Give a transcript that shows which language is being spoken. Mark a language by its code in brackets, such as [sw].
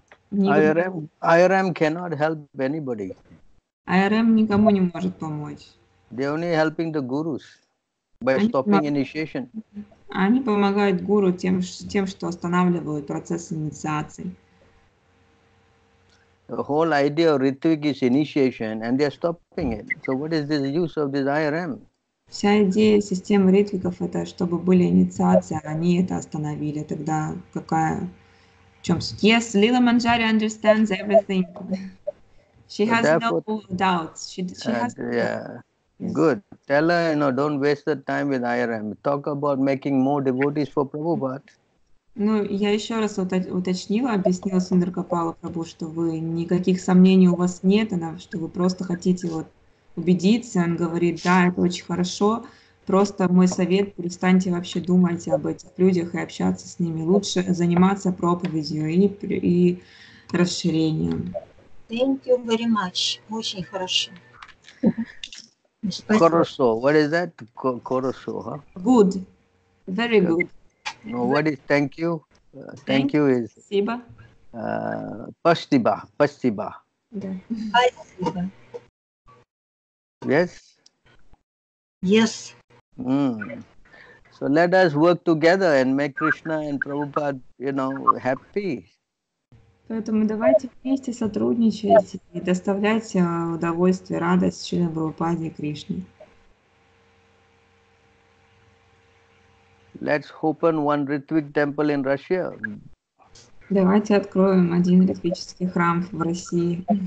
[en] IRM cannot help anybody. [ru] IRM никому не может помочь. [en] They're only helping the gurus. By stopping initiation. [ru] Они помогают гуру тем, что останавливают процесс инициации. [en] The whole idea of Ritvik is initiation, and they are stopping it. So what is the use of this IRM? [ru] Вся идея системы ритвиков это чтобы были инициации, они это остановили. Тогда какая? В чем? [en] Yes, Lila Manjari understands everything. She has no doubts. She has. Yes. Good. Tell her, you know, don't waste the time with IRM. Talk about making more devotees for Prabhupada. [ru] Ну, я еще раз уточнила, объяснила Сундарагопалу Прабху, что вы никаких сомнений у вас нет, она, что вы просто хотите вот убедиться. Он говорит, да, это очень хорошо. Просто мой совет, перестаньте вообще думать об этих людях и общаться с ними. Лучше заниматься проповедью и расширением. [en] Thank you very much. [ru] Очень хорошо. Хорошо. [en] What is that? [ru] Хорошо, [en] huh? Good. Very good. No, what is thank you? Thank you is... [ru] Спасибо. Спасибо, спасибо. Да. [en] Yes? Yes. Mm. So let us work together and make Krishna and Prabhupada, you know, happy. [ru] Поэтому давайте вместе сотрудничать и доставлять удовольствие, радость членам Прабхупаде и Кришне. [en] Let's open one Ritvik temple in Russia. [ru] Давайте откроем один ритвический храм в России.